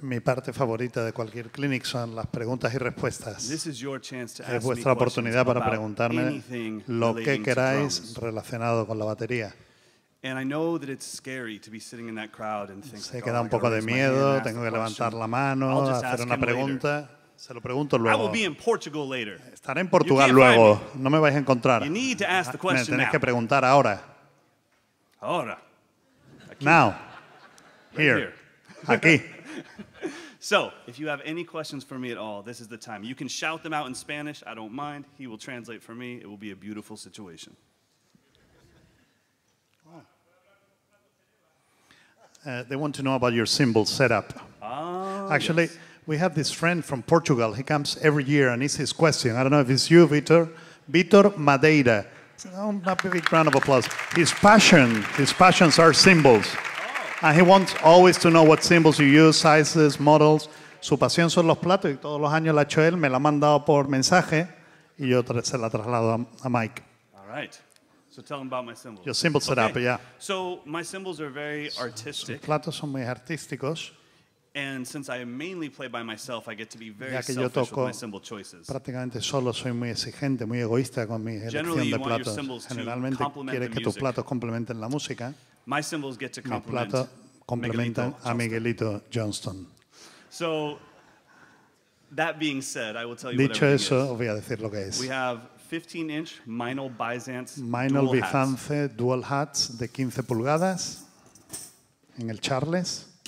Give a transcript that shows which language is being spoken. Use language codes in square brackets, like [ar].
[es] Mi parte favorita de cualquier clinic son las preguntas y respuestas. [en] This is your chance to ask me questions. [es] Es vuestra oportunidad para preguntarme lo que queráis relacionado con la batería. [en] And I know that it's scary to be sitting in that crowd and think, [es] sé que da un poco de miedo, tengo que levantar la mano, hacer una pregunta. Se lo pregunto luego. [en] I will be in Portugal later. [es] Estaré en Portugal luego. No me vais a encontrar. [en] You need to ask the question. [es] Me tenéis que preguntar ahora. Ahora. [en] Now. Here. [es] Aquí. [en] So, if you have any questions for me at all, this is the time. You can shout them out in Spanish. I don't mind. He will translate for me. It will be a beautiful situation. They want to know about your cymbal setup. Actually, yes. We have this friend from Portugal. He comes every year and it's his question. I don't know if it's you, Vitor. Vitor Madeira. A big round of applause. His passions are cymbals. And he wants always to know what cymbals you use, sizes, models. [es] Su pasión son los platos y todos los años la ha hecho él. Me la ha mandado por mensaje y yo se la traslado a Mike. [en] All right. So tell him about my cymbals. Your cymbal setup, okay. Yeah. So my cymbals are very artistic. [es] Sus platos son muy artísticos. [en] And since I mainly play by myself, I get to be very selfish [es] toco, [en] with my cymbal choices. [es] Prácticamente solo soy muy exigente, muy egoísta con mi elección de platos. Generalmente quieres que tus platos complementen la música. [en] My cymbals get to complement Miguelito Johnston. So, that being said, I will tell you [es] dicho [en] whatever [es] eso, [en] it is. [es] Os voy a decir lo que es. [en] We have 15-inch Meinl Byzance Meinl dual Byzance hats. [es] Dual hats de 15 pulgadas en el Charles.